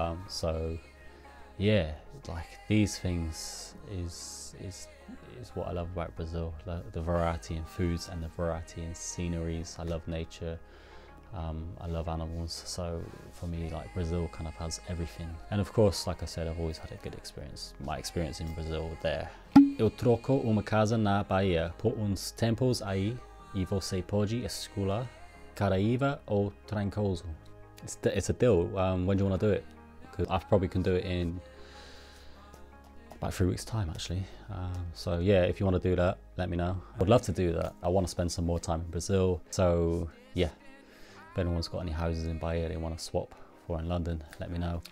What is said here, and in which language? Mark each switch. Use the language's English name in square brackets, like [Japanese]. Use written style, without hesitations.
[English] So yeah, like these things is what I love about Brazil, the variety in foods and the variety in sceneries. I love nature. I love animals, so for me, like, Brazil kind of has everything. And of course, like I said, I've always had a good experience, my experience in Brazil there. [Portuguese] Eu troco uma casa na Bahia por uns tempos aí, e você pode escolher Caraíva ou Trancoso. [English] It's a deal. When do you want to do it? Because I probably can do it in about 3 weeks time, actually. So yeah, if you want to do that, let me know. I would love to do that. I want to spend some more time in Brazil, so yeah. If anyone's got any houses in Bahia they want to swap for in London, let me know.